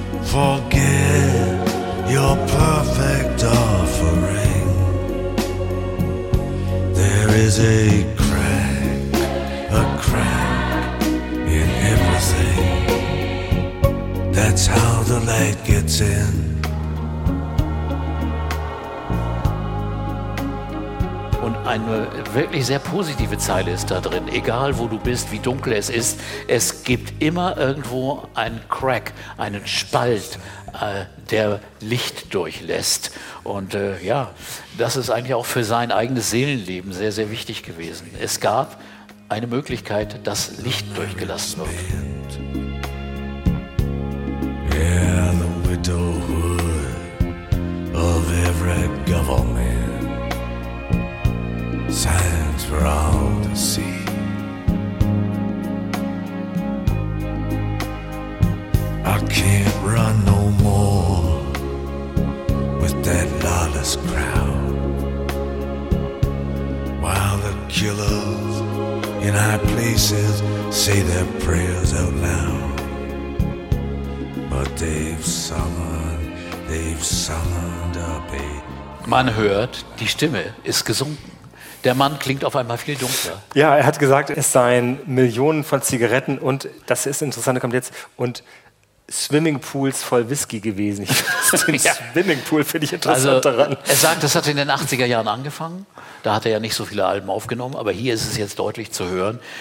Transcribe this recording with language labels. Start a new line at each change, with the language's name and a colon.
English: Forget your perfect offering. There is a crack in everything. That's how the light gets in.
German: Eine wirklich sehr positive Zeile ist da drin. Egal, wo du bist, wie dunkel es gibt immer irgendwo einen Crack, einen Spalt, der Licht durchlässt. Und ja, das ist eigentlich auch für sein eigenes Seelenleben sehr, sehr wichtig gewesen. Es gab eine Möglichkeit, dass Licht durchgelassen wird.
English: Yeah, the widowhood of every government. Signs for all to see. I can't run no more with that lawless crowd. While the killers in high places say their prayers out loud. But they've summoned up a...
German: Man hört, die Stimme ist gesunken. Der Mann klingt auf einmal viel dunkler. Ja, er hat gesagt, es seien Millionen von Zigaretten und das ist interessant, kommt jetzt, und Swimmingpools voll Whisky gewesen. Ich weiß, den Swimmingpool finde ich interessant also, daran. Er sagt, das hat in den 80er Jahren angefangen. Da hat er ja nicht so viele Alben aufgenommen, aber hier ist es jetzt deutlich zu hören.